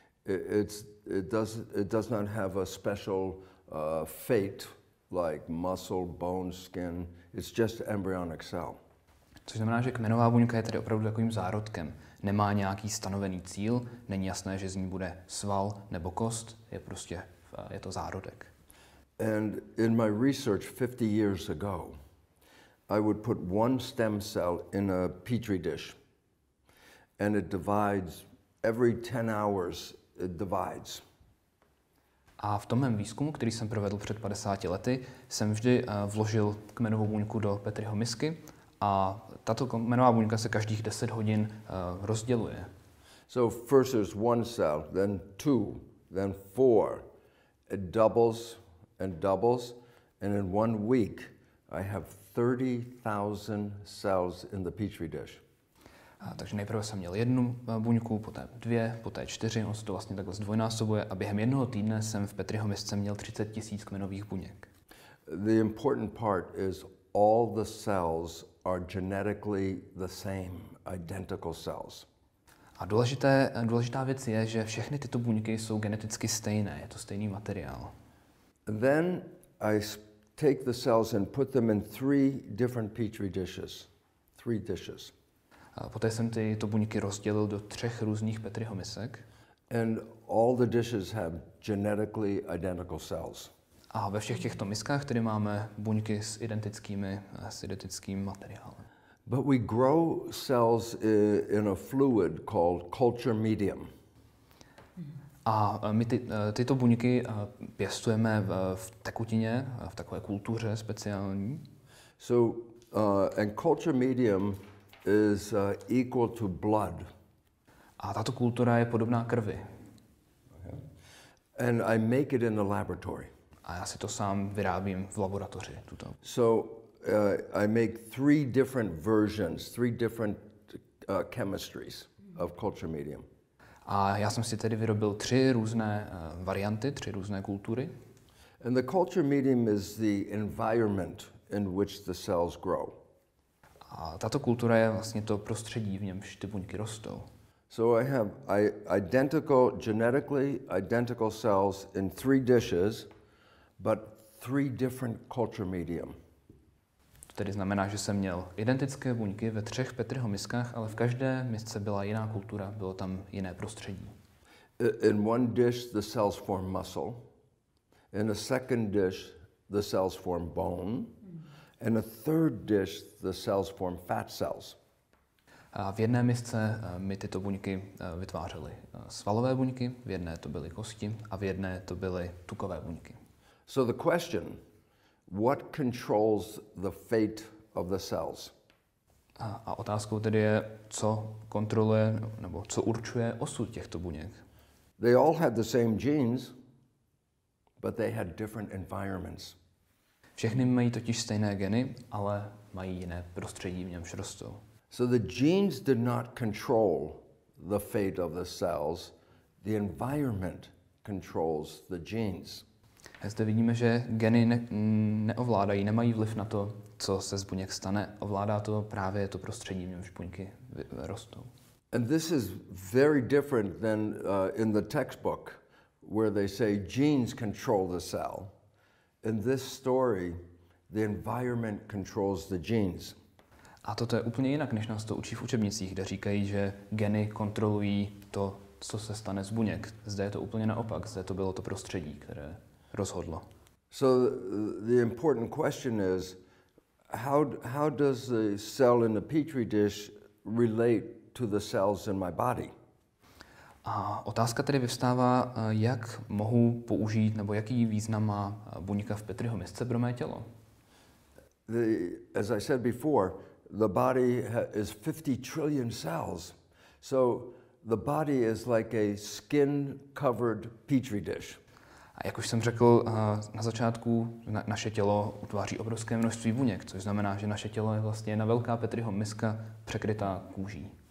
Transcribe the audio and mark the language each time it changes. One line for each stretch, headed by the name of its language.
English: It does not have a special fate like muscle, bone, skin. It's just an embryonic cell.
Czech: Což znamená, že kmenová buňka je tedy opravdu takovým zárodkem. Nemá nějaký stanovený cíl, není jasné, že z ní bude sval nebo kost, je prostě je to zárodek.
English: And in my research 50 years ago, I would put one stem cell in a petri dish and it divides every 10 hours. It divides.
Czech: A v tom mém výzkumu, který jsem provedl před 50 lety, jsem vždy vložil kmenovou buňku do Petriho misky a tato kmenová buňka se každých 10 hodin rozděluje.
English: So first there's one cell, then two, then four. It doubles and doubles, and in one week I have 30,000 cells in the petri dish.
Czech: Takže nejprve jsem měl jednu buňku, poté dvě, poté čtyři, on se to vlastně takhle zdvojnásobuje a během jednoho týdne jsem v Petriho misce měl 30 000 kmenových buněk.
English: The important part is all the cells are genetically the same, identical cells.
Czech: A důležitá věc je, že všechny tyto buňky jsou geneticky stejné, je to stejný materiál.
English: Then I take the cells and put them in three different petri dishes. Three dishes.
Czech: A poté jsem tyto buňky rozdělil do třech různých Petriho misek.
English: And all the dishes have genetically identical cells.
Czech: A ve všech těchto miskách tedy máme buňky s identickými, s identickým materiálem.
English: But we grow cells in a fluid called culture medium.
Czech: A my tyto buňky pěstujeme v tekutině, v takové kultuře speciální.
English: So, and culture medium is equal to blood.
Czech: A tato kultura je podobná krvi.
English: And I make it in the laboratory.
Czech: A já si to sám vyrábím v laboratoři tuto.
English: So I make three different versions, three different chemistries of culture medium.
Czech: A já jsem si tedy vyrobil tři různé varianty, tři různé kultury.
English: And the culture medium is the environment in which the cells grow.
Czech: A tato kultura je vlastně to prostředí, v němž ty buňky rostou.
English: So I have identical, genetically identical cells in three dishes, but three different culture medium.
Czech: tedy znamená, že jsem měl identické buňky ve třech Petriho miskách, ale v každé misce byla jiná kultura, bylo tam jiné prostředí.
English: In one dish the cells form muscle, in a second dish the cells form bone, in a third dish the cells form fat cells.
Czech: A v jedné misce mi tyto buňky vytvářely svalové buňky, v jedné to byly kosti a v jedné to byly tukové buňky.
English: So the question, what controls the fate of the cells?
Czech: A otázkou tedy je, co kontroluje nebo co určuje osud těchto buněk.
English: They all had the same genes, but they had different environments.
Czech: Všechny mají totiž stejné geny, ale mají jiné prostředí, v němž rostou.
English: So the genes did not control the fate of the cells. The environment controls the genes.
Czech: A zde vidíme, že geny neovládají, nemají vliv na to, co se z buněk stane. Ovládá to právě to prostředí, v němž buňky rostou.
English: And this is very different than in the textbook, where they say genes control the cell. In this story, the environment controls the genes.
Czech: A toto je úplně jinak, než nás to učí v učebnicích, kde říkají, že geny kontrolují to, co se stane z buněk. Zde je to úplně naopak, zde to bylo to prostředí, které rozhodlo.
English: So the important question is, how does the cell in the petri dish relate to the cells in my body?
Czech: A otázka tedy vyvstává, jak mohu použít, nebo jaký význam má buňka v Petriho misce pro mé tělo?
English: As I said before, the body is 50 trillion cells. So the body is like a skin-covered petri dish.
Czech: A jak už jsem řekl na začátku, naše tělo utváří obrovské množství buněk, což znamená, že naše tělo je vlastně jedna velká Petriho miska překrytá kůží.